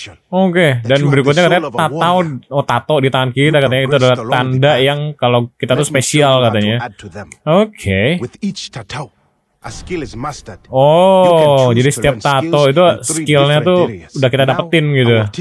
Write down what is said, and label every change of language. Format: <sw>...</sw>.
<id>Oke, dan berikutnya katanya tato di tangan kita, katanya itu adalah tanda yang kalau kita tuh spesial katanya. Oke.</id> <en>With each tattoo, a skill is mastered.</en> <id>Oh, jadi setiap tato itu skillnya tuh udah kita dapetin gitu.</id>